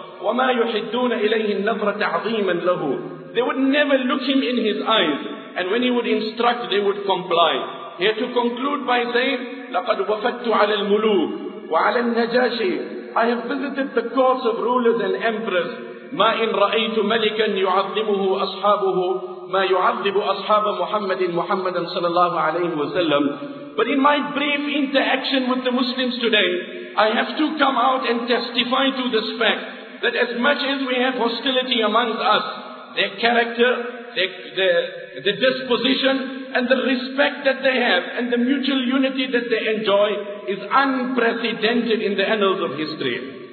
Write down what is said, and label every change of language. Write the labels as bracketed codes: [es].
[ar] وَمَا يُحِدُّونَ إِلَيْهِ النَّظْرَ تَعْظِيمًا لَهُ. [en] They would never look him in his eyes. And when he would instruct, they would comply. He had to conclude by saying, [ar] لَقَدْ وَفَدْتُ عَلَى الْمُلُوكِ وَعَلَى النَّجَاشِ. [en] I have visited the courts of rulers and emperors. [ar] مَا إِنْ رَأَيْتُ مَلِكًا يُعَظِّمُهُ أَصْحَابُهُ مَا يُعَظِّبُ أَصْحَابَ مُحَمَّدٍ مُحَمَّدًا صلى الله عليه وسلم. [en] But in my brief interaction with the Muslims today, I have to come out and testify to this fact that as much as we have hostility amongst us, their character, the disposition and the respect that they have and the mutual unity that they enjoy is unprecedented in the annals of history.